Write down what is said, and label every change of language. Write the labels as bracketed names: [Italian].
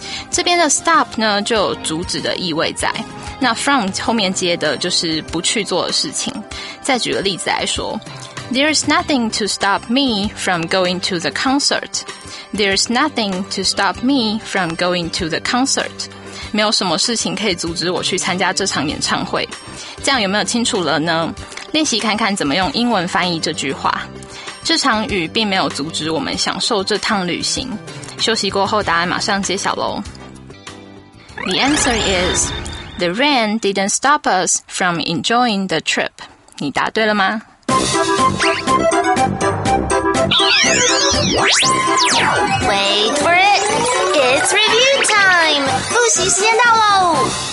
[Chinese] 这边的 stop 呢，就有阻止的意味在。那 from 后面接的就是不去做的事情。再举个例子来说。 [English] There's nothing to stop me from going to the concert. There's nothing to stop me from going to the concert. [Chinese] 没有什么事情可以阻止我去参加这场演唱会。这样有没有清楚了呢？练习看看怎么用英文翻译这句话。这场雨并没有阻止我们享受这趟旅行。休息过后答案马上揭晓咯。 [English] The answer is, the rain didn't stop us from enjoying the trip. [Chinese] 你答对了吗？ [English] Wait for it! It's review time! [Chinese] 复习时间到喽！